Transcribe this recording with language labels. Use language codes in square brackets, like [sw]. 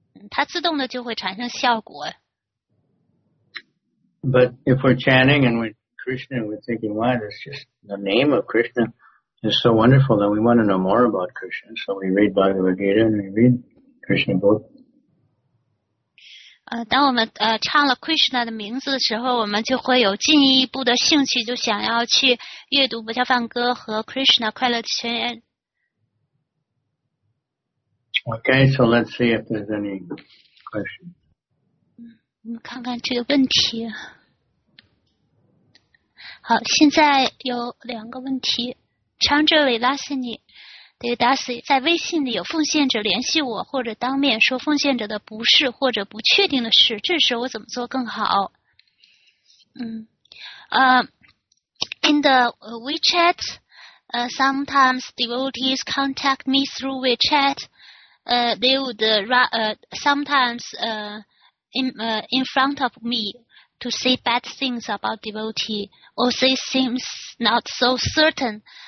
[zh] 它自动的就会产生效果。 [en] But if we're chanting and we're Krishna, we're thinking, why? That's just the name of Krishna. is so wonderful that we want to know more about Krishna. So we read Bhagavad Gita and we read Krishna book. [zh] 当我们唱了 Krishna 的名字的时候，我们就会有进一步的兴趣，就想要去阅读《不叫梵歌》和 Krishna 快乐的宣言。 [en] Okay, so let's see if there's any question. [zh] 我们看看这个问题。好，现在有两个问题。长者维拉斯尼。 Devadasi, 在微信里有奉献者联系我或者当面说奉献者的不是或者不确定的事，这时我怎么做更好？ [en] In the WeChat, sometimes devotees contact me through WeChat. They would in front of me to say bad things about devotee or say things not so certain.